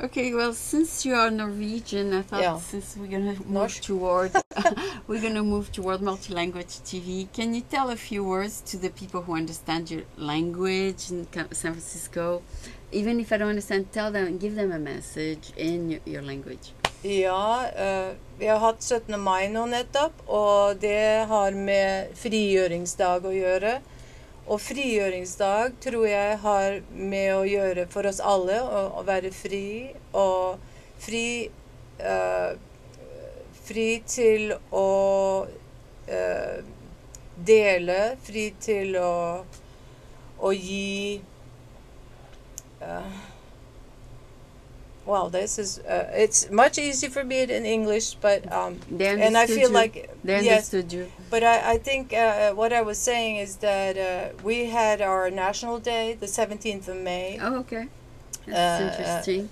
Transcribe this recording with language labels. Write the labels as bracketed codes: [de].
[en] Okay, well, since you are Norwegian, I thought since we're gonna move toward we're gonna move toward multi-language TV, can you tell a few words to the people who understand your language in San Francisco? Even if I don't understand, tell them, give them a message in your language. [no] Ja, vi har hatt 17. mai nå nettopp, og det har med frigjøringsdag å gjøre. Og frigjøringsdag tror jeg har med å gjøre for oss alle å være fri, og fri til å dele, fri til å gi... [en] Well, this is it's much easier for me in English, but and I feel you. Like they understood you. But I think what I was saying is that we had our national day, the 17th of May. Oh, okay. That's interesting.